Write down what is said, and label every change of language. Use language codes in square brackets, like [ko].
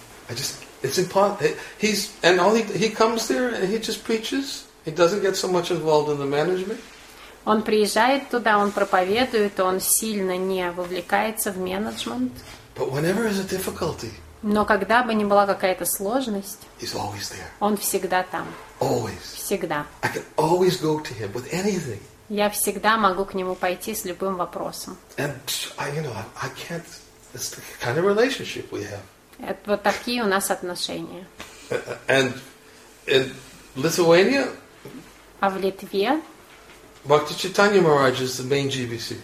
[ru] Он приезжает туда, он проповедует, он сильно не вовлекается в менеджмент. [en] But whenever is a difficulty, [ru] но когда бы ни была какая-то сложность, [en] he's always there. [ru] Он всегда там. [en] Always. [ru] Всегда. [en] I can always go to him with anything. [ru] Я всегда могу к нему пойти с любым вопросом. Это вот такие у нас отношения. А в Литве? [en] Бхакти Чайтанья Махарадж is the main GBC.